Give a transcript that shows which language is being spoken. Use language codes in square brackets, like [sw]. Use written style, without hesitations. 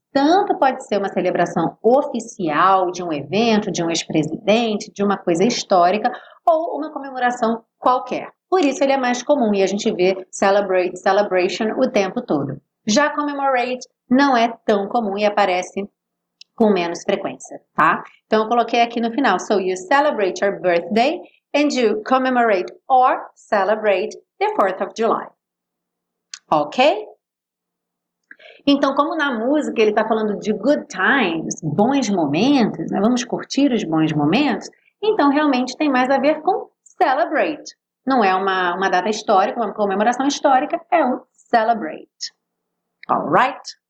[pt] Tanto pode ser uma celebração oficial de um evento, de um ex-presidente, de uma coisa histórica, ou uma comemoração qualquer. Por isso, ele é mais comum e a gente vê celebrate, celebration o tempo todo. Já commemorate não é tão comum e aparece com menos frequência, tá? Então, eu coloquei aqui no final. [en] So, you celebrate your birthday and you commemorate or celebrate the 4th of July. [pt] Ok? Então, como na música ele está falando de good times, bons momentos, né? Vamos curtir os bons momentos, então realmente tem mais a ver com celebrate. Não é uma data histórica, uma comemoração histórica, é um celebrate. Alright?